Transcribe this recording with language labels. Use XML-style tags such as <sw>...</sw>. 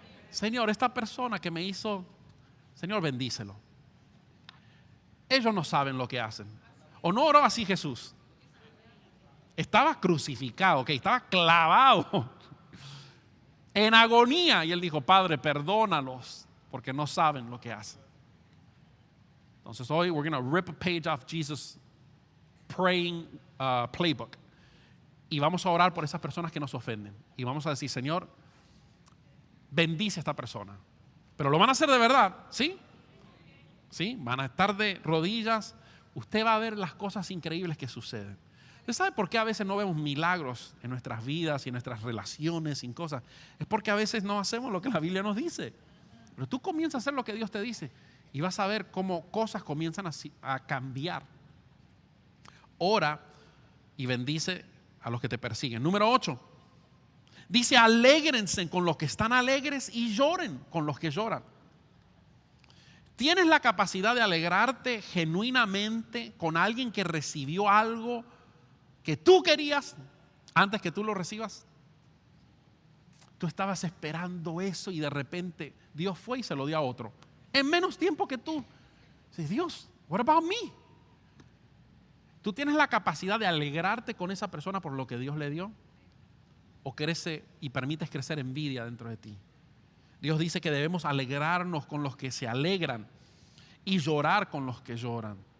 <es>Señor, esta persona que me hizo, Señor, bendícelo. Ellos no saben lo que hacen. ¿O no oró así Jesús? Estaba crucificado, okay, estaba clavado en agonía. Y él dijo, Padre, perdónalos porque no saben lo que hacen. Entonces hoy</es> <en>we're going to rip a page off Jesus' praying playbook.</en> <es>Y vamos a orar por esas personas que nos ofenden. Y vamos a decir, Señor, bendice a esta persona. Pero lo van a hacer de verdad, ¿sí? ¿Sí? Van a estar de rodillas. Usted va a ver las cosas increíbles que suceden. ¿Usted sabe por qué a veces no vemos milagros en nuestras vidas y en nuestras relaciones y cosas? Es porque a veces no hacemos lo que la Biblia nos dice. Pero tú comienzas a hacer lo que Dios te dice. Y vas a ver cómo cosas comienzan a cambiar. Ora y bendice a los que te persiguen. Número 8. Dice, alégrense con los que están alegres y lloren con los que lloran. ¿Tienes la capacidad de alegrarte genuinamente con alguien que recibió algo que tú querías antes que tú lo recibas? Tú estabas esperando eso y de repente Dios fue y se lo dio a otro. En menos tiempo que tú. Dices, Dios,</es> <en>what about me?</en> <es>¿Tú tienes la capacidad de alegrarte con esa persona por lo que Dios le dio? ¿O crece y permites crecer envidia dentro de ti? Dios dice que debemos alegrarnos con los que se alegran y llorar con los que lloran.</es>